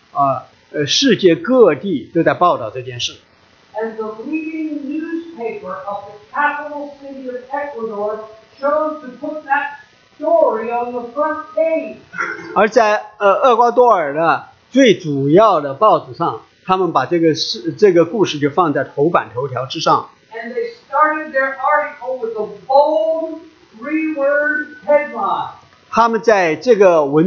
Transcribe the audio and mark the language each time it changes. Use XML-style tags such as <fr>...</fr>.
<zh>当这个消息传出来之后，世界各地都在报道这件事。</zh> <en>And the leading newspaper of the capital city of Ecuador chose to put that story on the front page.</en> <zh>他们把这个故事就放在头版头条之上。</zh> <en>And they started their article with a bold 3-word headline.</en>